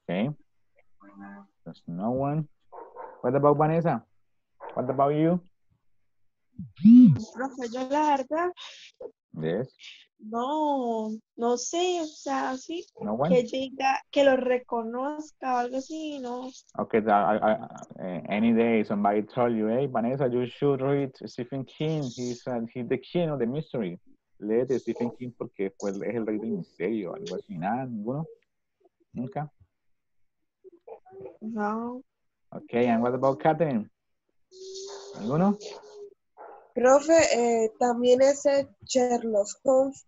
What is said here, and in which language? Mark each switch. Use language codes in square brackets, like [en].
[es] creo. [en] Ok. There's no one. What about Vanessa? What about you? [es] Profe, yo la verdad. [en] Yes. [es] No sé, o sea, sí. [en] No one? [es] Que llega, que lo reconozca o algo así, no. [en] Okay, any day somebody told you, hey, Vanessa, you should read Stephen King. He's the king of the mystery. [es] Lee de Stephen King porque fue, es el rey del misterio. Algo así, nada, ninguno. Nunca. No. [en] Okay, and what about Catherine? [es] ¿Alguno? Profe, también ese Sherlock Holmes.